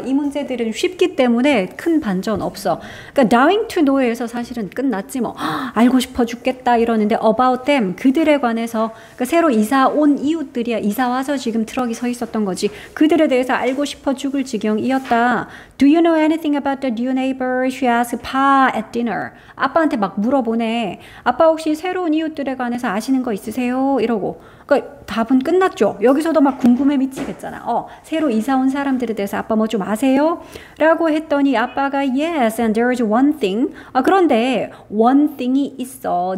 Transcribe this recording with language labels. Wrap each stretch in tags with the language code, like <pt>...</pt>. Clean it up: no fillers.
<ko>이 문제들은 쉽기 때문에 큰 반전 없어. 그러니까</ko> <en>dying to know</en> <ko>에서 사실은 끝났지 뭐. 알고 싶어 죽겠다 이러는데</ko> <en>about them,</en> <ko>그들에 관해서, 그러니까 새로 이사 온 이웃들이야. 이사 와서 지금 트럭이 서 있었던 거지. 그들에 대해서 알고 싶어 죽을 지경이었다.</ko> <en>Do you know anything about the new neighbor? She asked Pa at dinner.</en> <ko>아빠한테 막 물어보네. 아빠 혹시 새로운 이웃들에 관해서 아시는 거 있으세요? 이러고. 그러니까 답은 끝났죠. 여기서도 막 궁금해 미치겠잖아. 새로 이사 온 사람들에 대해서 아빠 뭐 좀 아세요? 라고 했더니 아빠가</ko> <en>yes and there is one thing.</en> <ko>그런데 one thing이 있어.</ko>